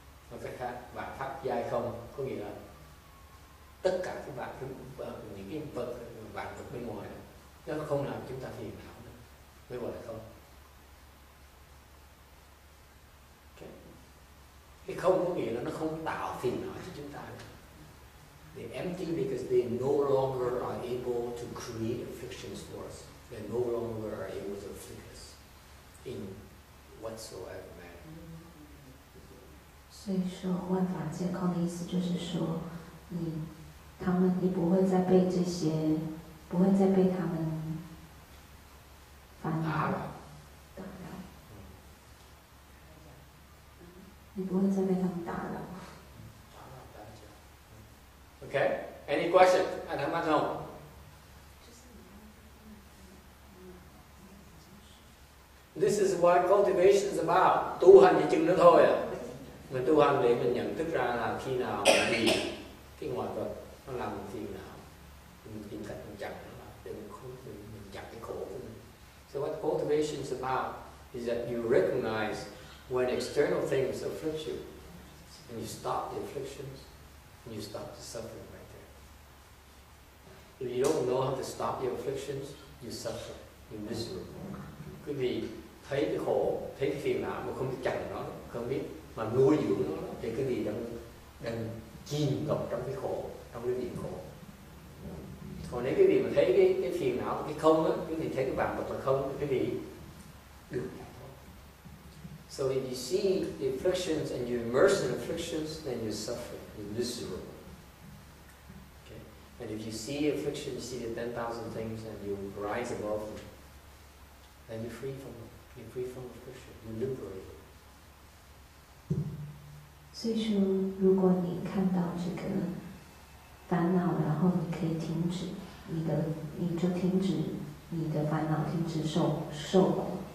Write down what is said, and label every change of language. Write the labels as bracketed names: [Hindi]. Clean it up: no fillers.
[Vietnamese] Nói cách khác, bản pháp dài không có nghĩa là tất cả các bản những cái vật bản vật bên ngoài đó, nó không làm chúng ta phiền não. Mới gọi là không. Okay. Cái không có nghĩa là nó không tạo phiền não cho chúng ta. [English] They're empty because they no longer are able to create afflictions for us. They no longer are able to afflict us in whatsoever manner. [Chinese] 所以说万法皆空的意思就是说，你不会再被这些，不会再被他们打扰。 [English] Okay. Any question? And I'm at home. This is what cultivation is about. [Vietnamese] Tu hành chỉ chừng đó thôi à. Mình tu hành để mình nhận thức ra là khi nào mình bị cái ngoại vật nó làm mình phiền não, mình tìm cách mình chặt nó lại để mình chặt cái khổ của mình. [English] So what cultivation is about is that you recognize when external things afflict you, and you stop the afflictions, and you stop the suffering right there. If you don't know how to stop the afflictions, you suffer, you're miserable. [Vietnamese] Quý vị thấy cái khổ, thấy cái phiền não mà không biết chặn nó, không biết mà nuôi dưỡng nó, thì quý vị đang chìm ngập trong cái khổ, trong cái biển khổ. Còn nếu quý vị mà thấy cái phiền não, cái không á, quý vị thấy cái vạn vật là không, quý vị được. [English] So if you see the afflictions and you immerse in afflictions, then you suffer, you're miserable. Okay. And if you see afflictions, you see the 10,000 things, and you rise above them, then you're free from them. You're free from affliction. You're liberated. [Chinese] 所以说，如果你看到这个烦恼，然后你可以停止你就停止你的烦恼，停止受苦。